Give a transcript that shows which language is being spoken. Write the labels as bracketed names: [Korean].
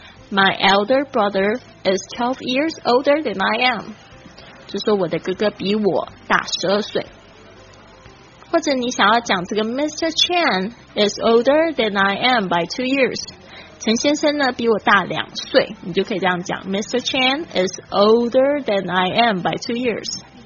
[English] My elder brother is 12 years older than I am. [Chinese] 就说我的哥哥比我大12岁。或者你想要讲这个 Mr. [English] Chan is older than I am by 2 years. [Chinese] 陈先生呢比我大2岁，你就可以这样讲 Mr. [English] Chan is older than I am by 2 years.